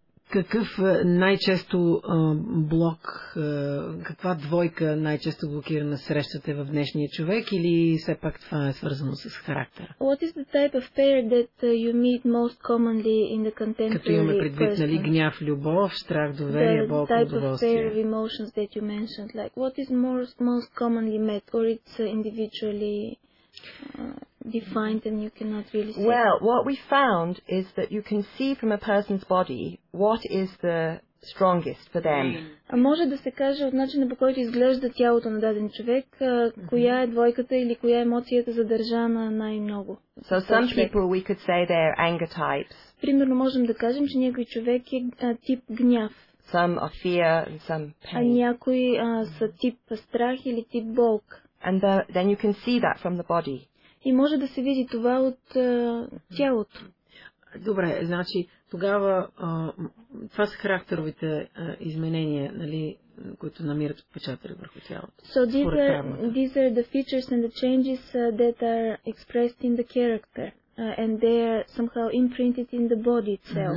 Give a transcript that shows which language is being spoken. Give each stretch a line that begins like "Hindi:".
Bulgarian: Какъв най-често блок, каква двойка най-често блокирана срещате в днешния човек или все пак това е свързано с характера?
English: What is the type of pair that you meet most commonly in the contemporary?
Bulgarian: Като имаме предвид, нали, гняв, любов, страх, доверие, болка, удоволствие.
English: The type of pair of emotions that you mentioned, like what is most commonly met or it's individually defined and you cannot really see. Well, what we found is that you can see from a person's body what is the strongest for them.
Bulgarian: А може да се каже от начина, по който изглежда тялото на даден човек, коя е двойката или коя емоцията задържана най-много.
English: So some people we could say they're anger types.
Bulgarian: Примерно можем да кажем, че някой човек е тип гняв.
English: Some are fear and some pain.
Bulgarian: А някой са тип страх или тип болк.
English: And then you can see that from the body.
Bulgarian: И може да се види това от тялото. Добре, значи тогава това са характеровите изменения, нали, които намират отпечатъка върху тялото.
English: So these are the features and the changes that are expressed in the character and they are somehow imprinted in the body itself.